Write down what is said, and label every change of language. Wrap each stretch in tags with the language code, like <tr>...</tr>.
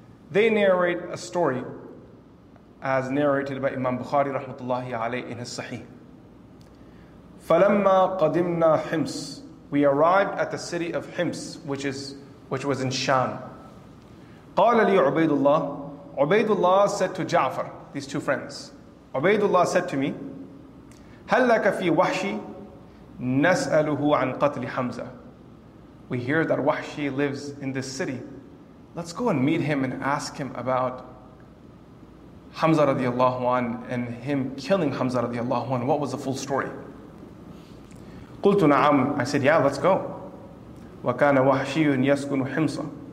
<en>They narrate a story as narrated by Imam Bukhari rahmatullahi alayhi in his Sahih.</en> <ar>فَلَمَّا قَدِمْنَا حِمْسِ.</ar> <en>We arrived at the city of Hims, which was in Sham.</en> <ar>قَالَ لِي عُبَيْدُ اللَّهِ.</ar> <en>Ubaidullah said to Ja'far, these two friends. Ubaidullah said to me,</en> <ar>هَلْ لَكَ فِي وَحْشِ نَسْأَلُهُ عَنْ قَتْلِ حَمْزَةٍ.</ar> <en>We hear that Wahshi lives in this city. Let's go and meet him and ask him about Hamza radiallahu anhu and him killing Hamza radiallahu anhu. What was the full story?</en> <ar>قُلْتُ نَعَمْ.</ar> <en>I said, yeah, let's go.</en> <ar>وَكَانَ وَحْشِيٌ يَسْكُنُ حِمْصَ.</ar>